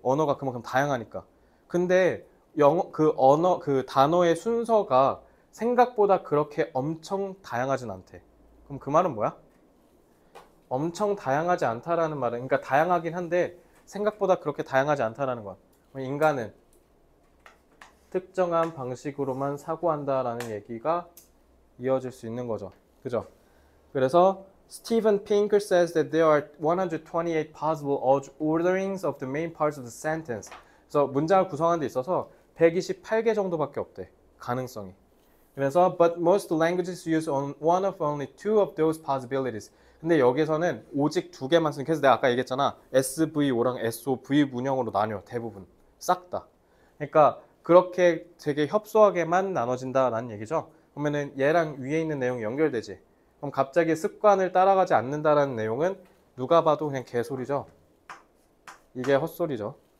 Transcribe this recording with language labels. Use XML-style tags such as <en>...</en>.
<ko>언어가 그만큼 다양하니까. 근데 그 단어의 순서가 생각보다 그렇게 엄청 다양하진 않대. 그럼 그 말은 뭐야? 엄청 다양하지 않다라는 말은, 그러니까 다양하긴 한데 생각보다 그렇게 다양하지 않다라는 것. 인간은 특정한 방식으로만 사고한다라는 얘기가 이어질 수 있는 거죠. 그죠? 그래서</ko> <en>Steven Pinker says that there are 128 possible orderings of the main parts of the sentence.</en> <ko>그래서 문장을 구성하는 데 있어서 128개 정도밖에 없대. 가능성이. 그래서</ko> <en>But most languages use on one of only two of those possibilities.</en> <ko>근데 여기에서는 오직 두 개만 쓰는. 그래서 내가 아까 얘기했잖아. SVO랑 SOV 문형으로 나뉘어. 대부분. 싹 다. 그러니까 그렇게 되게 협소하게만 나눠진다라는 얘기죠. 그러면은 얘랑 위에 있는 내용이 연결되지. 그럼 갑자기 습관을 따라가지 않는다라는 내용은 누가 봐도 그냥 개소리죠. 이게 헛소리죠.</ko>